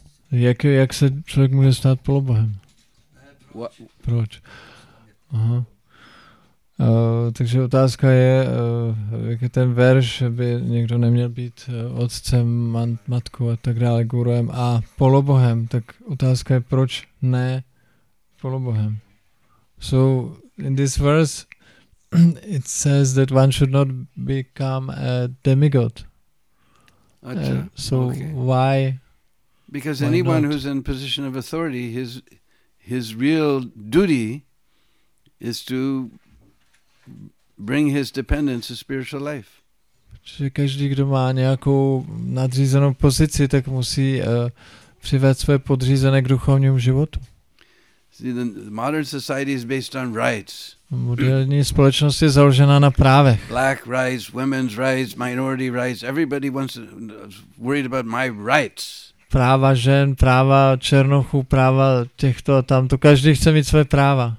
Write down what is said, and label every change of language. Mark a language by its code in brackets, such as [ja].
[cs] Jak se člověk může stát polobohem? Proč? Aha. Takže otázka je, jaký ten verš, aby někdo neměl být otcem, matkou a tak dále, guruem a polobohem. Tak otázka je, proč ne polobohem? [en] So, in this verse, it says that one should not become a demigod. Why? Because why anyone not? Who's in position of authority, his real duty is to bring his dependents to spiritual life. [cs] Protože každý, kdo má nějakou nadřízenou pozici, tak musí přivést své podřízené k duchovnímu životu. [en] See, the modern society is based on rights. [cs] Moderní společnost je založena na právech. [en] Black rights, women's rights, minority rights. Everybody wants worried about my rights. [cs] Práva žen, práva černochů, práva těchto a tamto. Každý chce mít své práva.